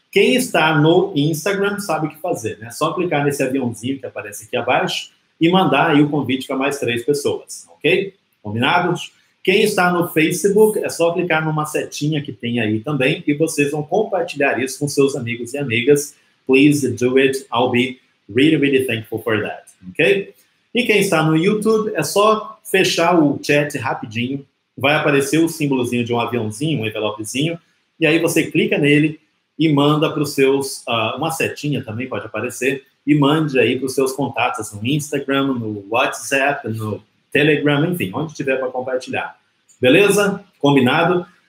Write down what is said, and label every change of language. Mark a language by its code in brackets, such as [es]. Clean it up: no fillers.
[pt] Quem está no Instagram sabe o que fazer, né? É só clicar nesse aviãozinho que aparece aqui abaixo e mandar aí o convite para mais 3 pessoas, ok? Combinados? Quem está no Facebook, é só clicar numa setinha que tem aí também e vocês vão compartilhar isso com seus amigos e amigas. [en] Please do it. I'll be really, really thankful for that, ok? [pt] E quem está no YouTube, é só fechar o chat rapidinho. Vai aparecer o símbolozinho de um aviãozinho, um envelopezinho. E aí você clica nele e manda para os seus... uma setinha também pode aparecer. E mande aí para os seus contatos no Instagram, no WhatsApp, no Telegram, enfim, onde tiver para compartilhar. Beleza? Combinado?